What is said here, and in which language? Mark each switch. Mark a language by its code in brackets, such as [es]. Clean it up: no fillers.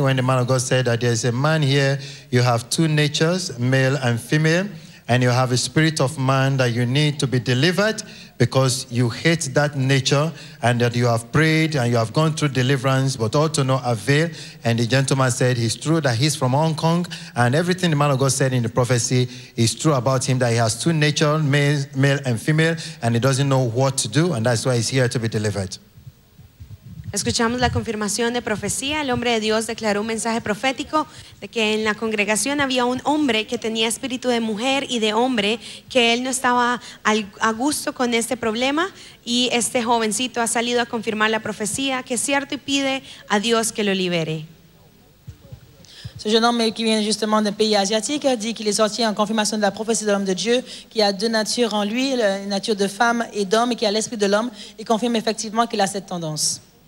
[en] When the man of God said that there's a man here, you have two natures, male and female, and you have a spirit of man that you need to be delivered because you hate that nature, and that you have prayed and you have gone through deliverance, but all to no avail. And the gentleman said it's true that he's from Hong Kong, and everything the man of God said in the prophecy is true about him, that he has two natures, male and female, and he doesn't know what to do, and that's why he's here to be delivered. [es] Escuchamos la confirmación de profecía. El hombre de Dios declaró un mensaje profético de que en la congregación había un hombre que tenía espíritu de mujer y de hombre, que él no estaba a gusto con este problema, y este jovencito ha salido a confirmar la profecía, que es cierto, y pide a Dios que lo libere. [fr] Ce jeune homme qui vient justement d'un pays asiatique dit qu'il est sorti en confirmation de la prophétie de l'homme de Dieu, qui a deux natures en lui, la nature de femme et d'homme, et qui a l'esprit de l'homme, et confirme effectivement qu'il a cette tendance.